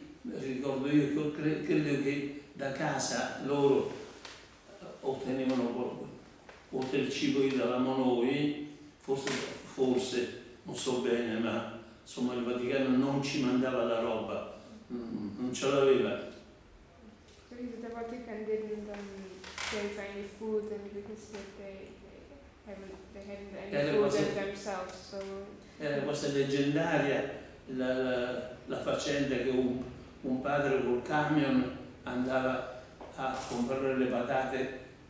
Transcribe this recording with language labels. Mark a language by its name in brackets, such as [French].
[Italian] Ricordo io che credo che da casa loro ottenevano oltre il cibo che davamo noi, forse, non so bene, ma insomma il Vaticano non ci mandava la roba, non ce l'aveva. [English] Quindi the Vatican didn't save any food and because they haven't any food themselves. [Italian] Era questa leggendaria la faccenda che un padre col camion andava a comprare le patate